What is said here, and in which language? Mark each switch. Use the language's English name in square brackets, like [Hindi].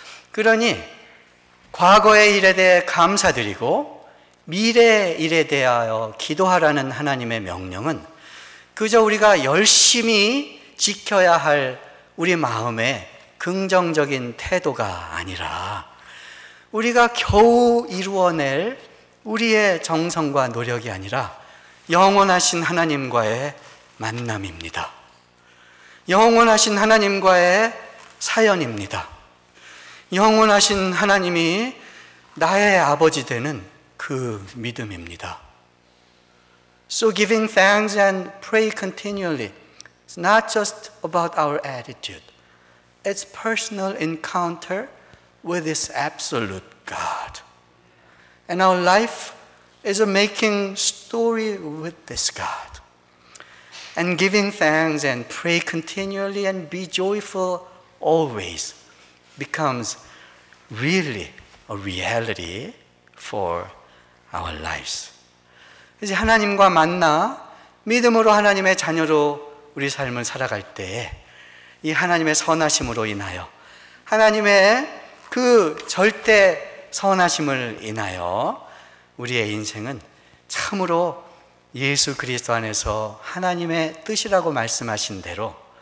[Korean] 그러니 과거의 일에 대해 감사드리고 미래의 일에 대하여 기도하라는 하나님의 명령은 그저 우리가 열심히 지켜야 할 우리 마음의 긍정적인 태도가 아니라 우리가 겨우 이루어낼 우리의 정성과 노력이 아니라 영원하신 하나님과의 만남입니다. 영원하신 하나님과의 사연입니다. 영원하신 하나님이 나의 아버지 되는 그 믿음입니다. [English] So giving thanks and pray continually is not just about our attitude. It's personal encounter with this absolute God. And our life is a making story with this God. And giving thanks and pray continually and be joyful always becomes really a reality for our lives. [Korean] 이제 하나님과 만나 믿음으로 하나님의 자녀로 우리 삶을 살아갈 때 이 하나님의 선하심으로 인하여 하나님의 그 절대 선하심을 인하여 우리의 인생은 참으로 예수 그리스도 안에서 하나님의 뜻이라고 말씀하신 대로